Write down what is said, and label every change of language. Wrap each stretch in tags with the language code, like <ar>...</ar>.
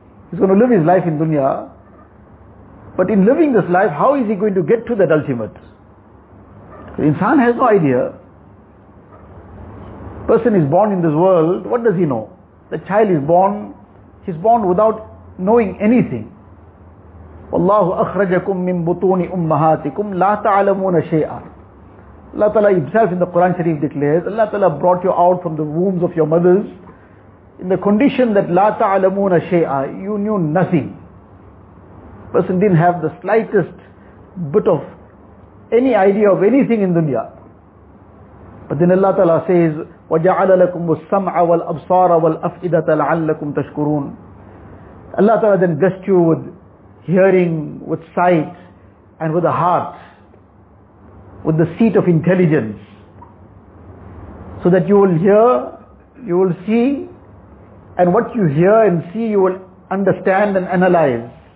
<en>He's going to live his life in dunya. But in living this life, how is he going to get to that ultimate? The insan has no idea. Person is born in this world, what does he know? The child is born, he's born without knowing anything.</en> <ar>والله أخرجكم من بطون أمهاتكم لا تعلمون شيئا.</ar> <en>Allah Ta'ala himself in the Quran Sharif declares, Allah Ta'ala brought you out from the wombs of your mothers in the condition that</en> <ar>لا تعلمون شيئا,</ar> <en>you knew nothing. Person didn't have the slightest bit of any idea of anything in dunya. But then Allah Ta'ala says,</en> <ar>وجعل لكم السمع والأبصار والأفئدة لعلكم تشكرون.</ar> <en>Allah Ta'ala then blessed you with hearing, with sight, and with a heart, with the seat of intelligence. So that you will hear, you will see, and what you hear and see, you will understand and analyze.</en>